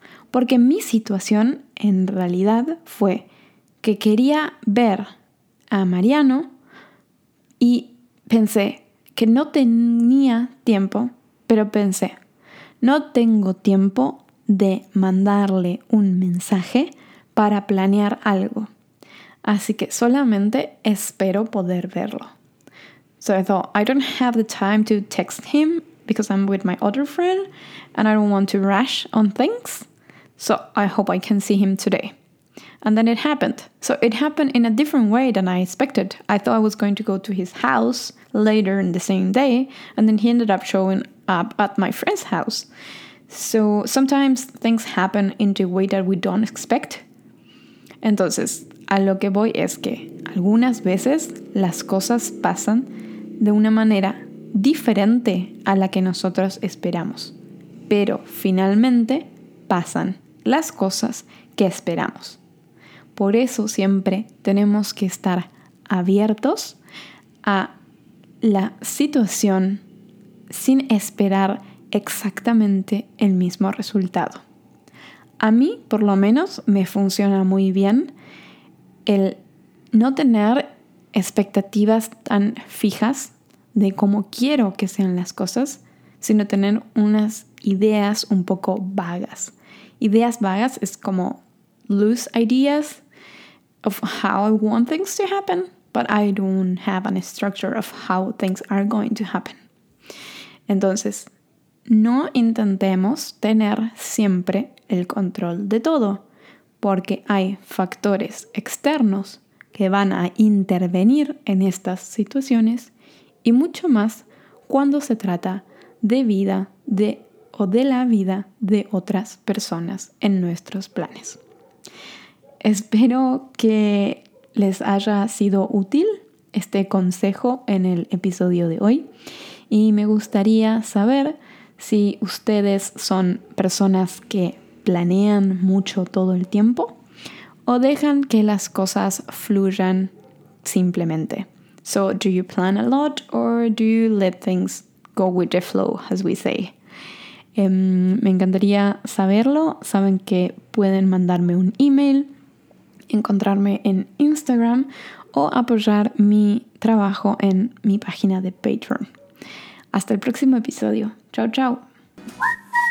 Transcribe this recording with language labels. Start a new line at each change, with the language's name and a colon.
Spanish: Porque mi situación en realidad fue que quería ver a Mariano y pensé que no tenía tiempo, pero pensé, no tengo tiempo de mandarle un mensaje para planear algo. Así que solamente espero poder verlo.
English: So I thought, I don't have the time to text him because I'm with my other friend and I don't want to rush on things. So I hope I can see him today. And then it happened. So it happened in a different way than I expected. I thought I was going to go to his house later in the same day, and then he ended up showing up at my friend's house. So sometimes things happen in the way that we don't expect.
Spanish: Entonces, a lo que voy es que algunas veces las cosas pasan de una manera diferente a la que nosotros esperamos. Pero finalmente pasan las cosas que esperamos. Por eso siempre tenemos que estar abiertos a la situación sin esperar exactamente el mismo resultado. A mí, por lo menos, me funciona muy bien el no tener expectativas tan fijas de cómo quiero que sean las cosas, sino tener unas ideas un poco vagas. Ideas vagas es como
English: loose ideas of how I want things to happen, but I don't have a structure of how things are going to happen.
Spanish: Entonces, no intentemos tener siempre el control de todo, porque hay factores externos que van a intervenir en estas situaciones y mucho más cuando se trata de vida de la vida de otras personas en nuestros planes. Espero que les haya sido útil este consejo en el episodio de hoy y me gustaría saber si ustedes son personas que planean mucho todo el tiempo o dejan que las cosas fluyan simplemente.
English: So, do you plan a lot or do you let things go with the flow, as we say?
Spanish: Me encantaría saberlo. Saben que pueden mandarme un email, encontrarme en Instagram o apoyar mi trabajo en mi página de Patreon. Hasta el próximo episodio. Chao, chao.